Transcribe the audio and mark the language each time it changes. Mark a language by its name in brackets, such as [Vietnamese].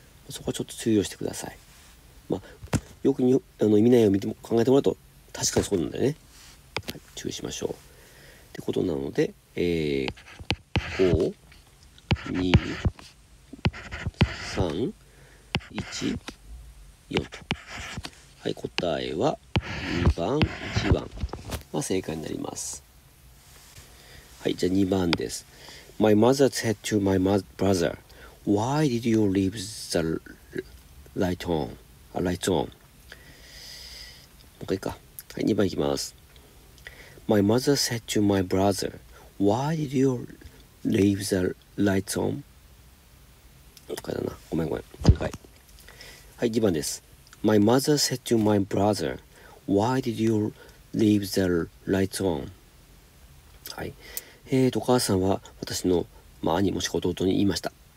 [Japanese] そこはちょっと注意をしてください。まあ、よくあの意味内容を見ても考えてもらうと確かにそうなんだよね、はい、注意しましょうってことなので、5、2、3、1、4と、はい、答えは2番1番が正解になります。はい、じゃあ2番です。 [English] My mother said to my brother, why did you leave the light on? [Japanese] もう一回か。はい、2番いきます。 [English] My mother said to my brother, why did you leave the light on? [Japanese] もう一回だな。ごめん。はい。はい、2番です。 [English] My mother said to my brother, why did you leave the light on? [Japanese] はい。お母さんは私の、まあ、兄もしくは弟に言いました。